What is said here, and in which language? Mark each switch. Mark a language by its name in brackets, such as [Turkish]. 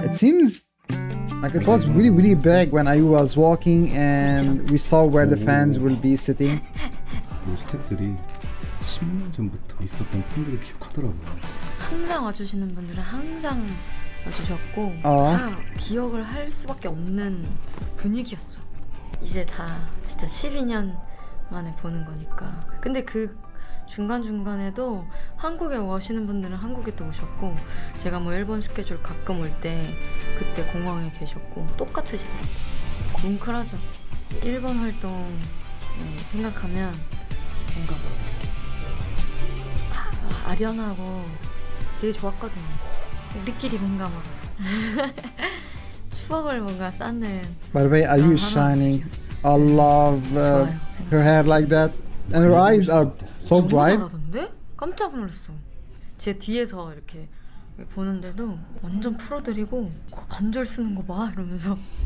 [English] It seems like it was really, really big when I was walking and we saw where the fans will be sitting. [Korean] 스태프들이 10년 전부터 있었던 팬들을 기억하더라고. 항상 와주시는 분들은 항상 와주셨고 다 기억을 할 수밖에 없는 분위기였어. 이제 다 진짜 12년 만에 보는 거니까. 근데 그 중간중간에도 한국에 오시는 분들은 한국에 또 오셨고 제가 뭐 일본 스케줄 가끔 올 때 그때 공항에 계셨고 똑같으시더라고요. 뭉클하죠. 일본 활동 생각하면 뭔가 아련하고 되게 좋았거든요. 우리끼리 뭔가 막 추억을 뭔가 쌓는. [English] By the way, are you shining? I love her hair like that. And her eyes are so bright. [Korean] 알았는데? 깜짝 놀랐어. 제 뒤에서 이렇게 보는데도 완전 풀어드리고 관절 쓰는 거 봐 이러면서.